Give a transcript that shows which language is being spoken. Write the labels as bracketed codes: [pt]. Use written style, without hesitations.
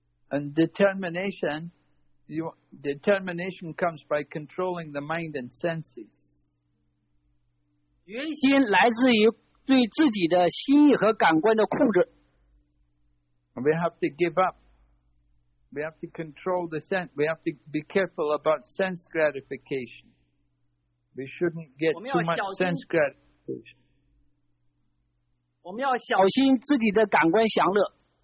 [en] and determination comes by controlling the mind and senses. [zh] 决心来自于对自己的心意和感官的控制。 [en] We have to be careful about sense gratification. We shouldn't get too much sense gratification. [zh] 我们要小心自己的感官享乐。